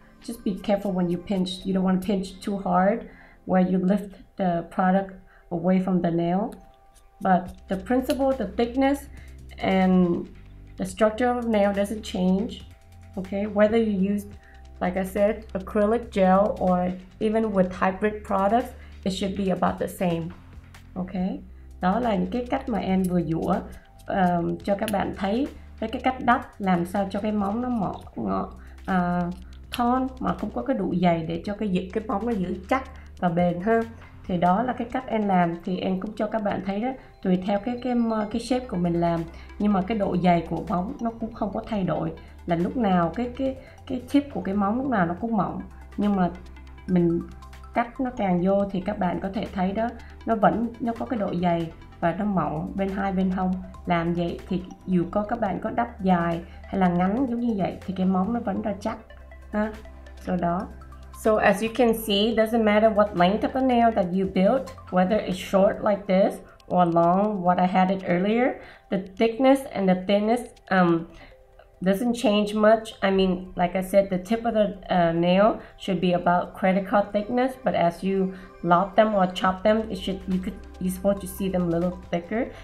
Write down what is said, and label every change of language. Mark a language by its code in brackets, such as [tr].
[en] Just be careful when you pinch. You don't want to pinch too hard where you lift the product away from the nail. But the principle, the thickness and the structure of the nail doesn't change. Okay, whether you use, like I said, acrylic gel or even with hybrid products, it should be about the same. [vi] Okay, đó là những cái cách mà em vừa dũa cho các bạn thấy với cái cách đắp làm sao cho cái móng nó mỏ ngọt thon mà không có cái độ dày để cho cái móng nó giữ chắc và bền hơn. Thì đó là cái cách em làm, thì em cũng cho các bạn thấy đó, tùy theo cái shape của mình làm, nhưng mà cái độ dày của móng nó cũng không có thay đổi, là lúc nào cái chip của cái móng lúc nào nó cũng mỏng, nhưng mà mình cắt nó càng vô thì các bạn có thể thấy đó, nó vẫn nó có cái độ dày và nó mỏng bên hai bên hông. Làm vậy thì dù có các bạn có đắp dài hay là ngắn giống như vậy thì cái móng nó vẫn ra chắc ha. So đó. [en] So as you can see, doesn't matter what length of the nail that you built, whether it's short like this or long, what I had it earlier, the thickness and the thinness doesn't change much. I mean, like I said, the tip of the nail should be about credit card thickness, but as you lop them or chop them, you're supposed to see them a little thicker.